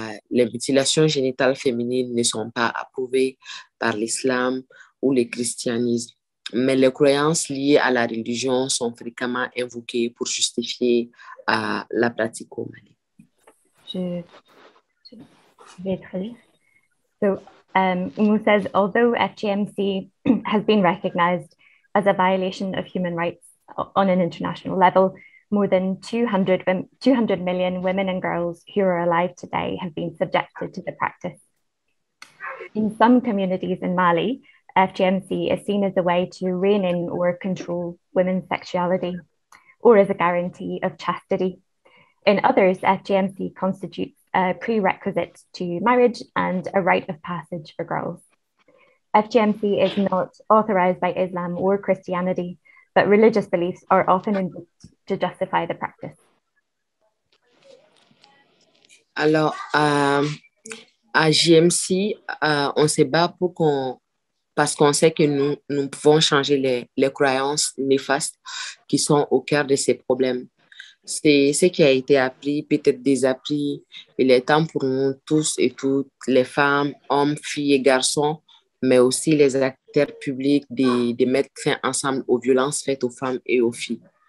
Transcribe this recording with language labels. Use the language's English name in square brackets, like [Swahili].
[French] Les mutilations génitales féminines ne sont pas approuvées par l'islam ou le christianisme, mais les croyances liées à la religion sont fréquemment invoquées pour justifier la pratique au Mali. [English] So, Umu says, although FGMC has been recognized as a violation of human rights on an international level, more than 200 million women and girls who are alive today have been subjected to the practice. In some communities in Mali, FGMC is seen as a way to rein in or control women's sexuality or as a guarantee of chastity. In others, FGMC constitutes a prerequisite to marriage and a rite of passage for girls. FGMC is not authorized by Islam or Christianity, but religious beliefs are often invoked to justify the practice. [French] Alors, à GMC, on se bat pour qu'on, parce qu'on sait que nous pouvons changer les croyances néfastes qui sont au cœur de ces problèmes. C'est ce qui a été appris, peut-être désappris. Il est temps pour nous tous et toutes, les femmes, hommes, filles et garçons, mais aussi les acteurs publics, de mettre fin ensemble aux violences faites aux femmes et aux filles.